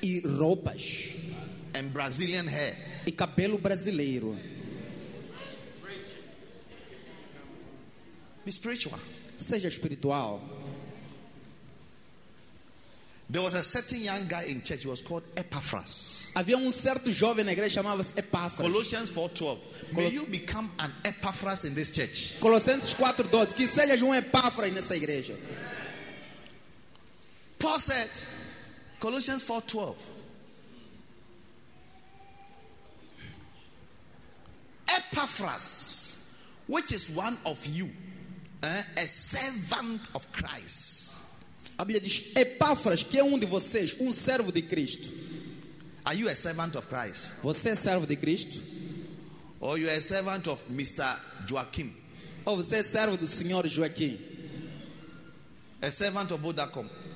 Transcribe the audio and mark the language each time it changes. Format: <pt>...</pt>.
<pt>E roupas.</pt> <en>And Brazilian hair.</en> <pt>E cabelo brasileiro.</pt> <en>Be spiritual.</en> <pt>Seja espiritual.</pt> <en>There was a certain young guy in church. He was called Epaphras.</en> <pt>Havia certo jovem na igreja chamava-se Epaphras.</pt> <en>Colossians 4:12. May you become an Epaphras in this church.</en> <pt>Colossenses 4:12. Que seja Epaphras nessa igreja.</pt> <en>Paul said, Colossians 4:12. Epaphras, which is one of you, a servant of Christ.</en> <pt>A Bíblia diz, Epáfras, que é de vocês, servo de Cristo.</pt> <en>Are you a servant of Christ?</en> <pt>Você é servo de Cristo?</pt> <en>Or you are a servant of Mr. Joaquim?</en> <pt>Ou você é servo do Senhor Joaquim?</pt> <en>A servant of Vodacom?</en>